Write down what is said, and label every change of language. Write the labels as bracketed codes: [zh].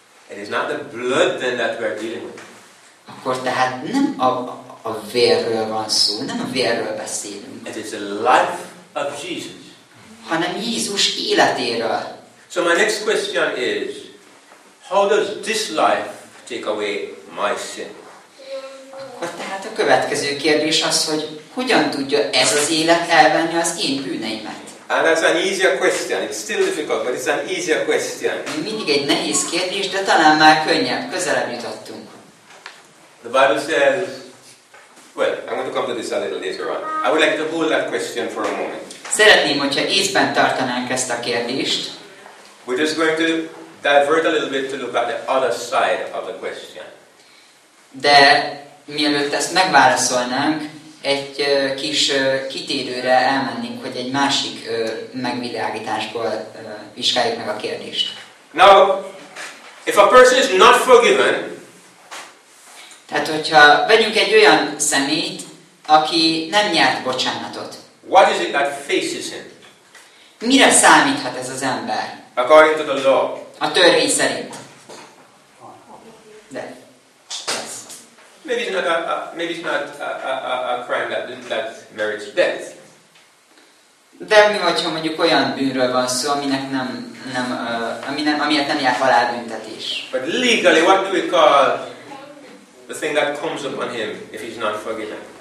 [en] It is not the blood then that we are dealing with. [hu] Akkor tehát nem a vérről van szó, nem a vérről beszélünk. [en] It is the life of Jesus. [hu] Hanem Jézus életéről. [en] So my next question is, how does this life take away my sin? [hu] Akkor tehát a következő kérdés az, hogy hogyan tudja ez az élet elvenni az én bűneimet? [en] And that's an easier question. It's still difficult, but it's an easier question. [hu] Mindig egy nehéz kérdés, de talán már könnyebb, közelebb jutottunk. [en] The Bible says, well, I'm going to come to this a little later on. I would like to hold that question for a moment. [hu] Szeretném, hogyha észben tartanánk ezt a kérdést. [en] We're just going to divert a little bit to look at the other side of the question. [hu] De mielőtt ezt megválaszolnánk, egy kis kitérőre elmennénk, hogy egy másik megvilágításból vizsgáljuk meg a kérdést. [en] Now, if a person is not forgiven, [hu] tehát, hogyha vegyünk egy olyan szemét, aki nem nyert bocsánatot. [en] What is it that faces him? [hu] Mire számíthat ez az ember? [en] According to the law. [hu] A törvény szerint. De. [en] Maybe it's not a crime that merits death. [hu] De mi hogyha mondjuk olyan bűnről van szó, aminek nem amiért nem jár halálbüntetés. [en] But legally, what do we call The thing that comes upon him if he's not forgiven.